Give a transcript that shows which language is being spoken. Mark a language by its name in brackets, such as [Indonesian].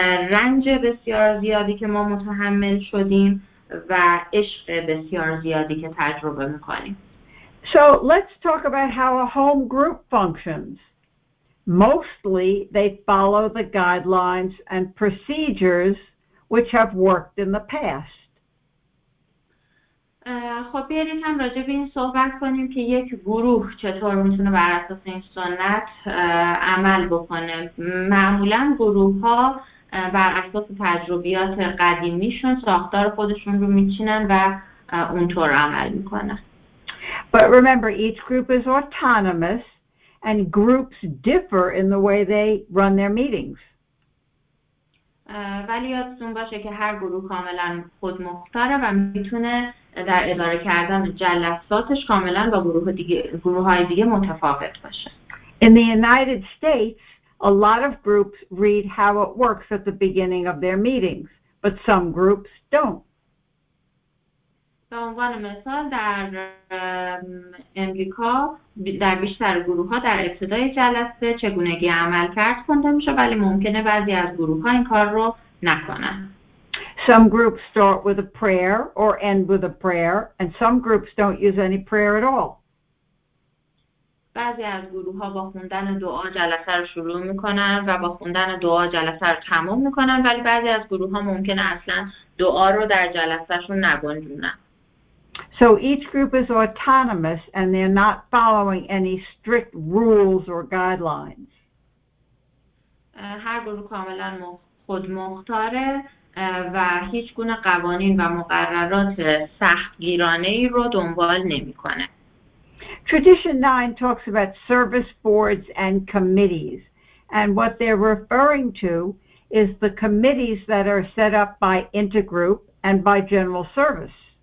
[Persian] رنج بسیار زیادی که ما متحمل شدیم و عشق بسیار زیادی که تجربه میکنیم. [English] So let's talk about how a home group functions. Mostly, they follow the guidelines and procedures which have worked in the past. [Persian] خب بیاریم هم راجع به این صحبت کنیم که یک گروه چطور میتونه بر اساس این سنت عمل بکنه. معمولا گروه ها بر اساس تجربیات قدیمیشون ساختار خودشون رو میچینن و اونطور عمل میکنن. [English] But remember, each group is autonomous and groups differ in the way they run their meetings. [Persian] ولی یادتون باشه که هر گروه کاملا خود مختاره و میتونه در اداره کردن جلساتش کاملا با گروه های دیگه متفاوت باشه. [English] In the United States, a lot of groups read how it works at the beginning of their meetings, but some groups don't. [Persian] به عنوان مثال در امریکا در بیشتر گروه ها در ابتدای جلسه چگونگی عمل کرد خونده میشه ولی ممکنه بعضی از گروه ها این کار رو نکنن. [English] Some groups start with a prayer or end with a prayer, and some groups don't use any prayer at all. [Persian] بعضی از گروه ها با خوندن دعا جلسه رو شروع میکنن و با خوندن دعا جلسه رو تموم میکنن ولی بعضی از گروه ها ممکنه اصلا دعا رو در جلسه شون نگنجونن. [English] So each group is autonomous and they're not following any strict rules or guidelines. [Persian] هر گروه کاملا خود مختاره و هیچ گونه قوانین و مقررات سختگیرانه‌ای رو دنبال نمی‌کنه. [English] Tradition 9 talks about service boards and committees, and what they're referring to is the committees that are set up by intergroup and by general service.